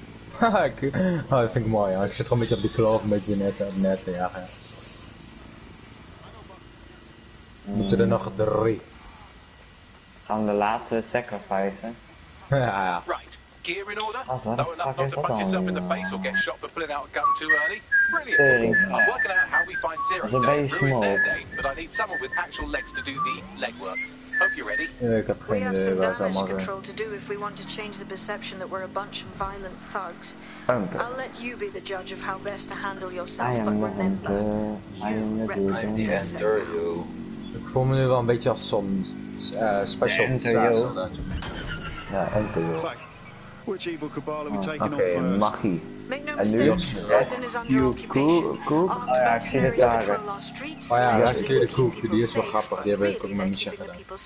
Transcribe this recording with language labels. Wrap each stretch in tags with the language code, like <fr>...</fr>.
<nl>Haha, ik vind het mooi, ja. Ik zit gewoon een beetje op de kloof, een beetje net, ja. Moeten er nog drie. Gaan we de laatste sacrificen?</nl> <en>Ja, ja. Right, gear in order. Oh, no enough not to punch yourself in the face or get shot for pulling out a gun too early. Brilliant. I'm working out how we find Zero to ruin their day, but I need someone with actual legs to do the legwork. Hope you're ready. We have some damage control to do if we want to change the perception that we're a bunch of violent thugs. I'll let you be the judge of how best to handle yourself, but remember, you.</en> <nl>Ik voel me nu wel een beetje als zo'n special soldaat. Ja, enter yo. Oké, Machi. En nu is het Koek. Oh ja, ik zie het daar. Oh ja, dat is een keer de Koek. Die is wel grappig. Die heb ik ook met Misha gedaan.</nl>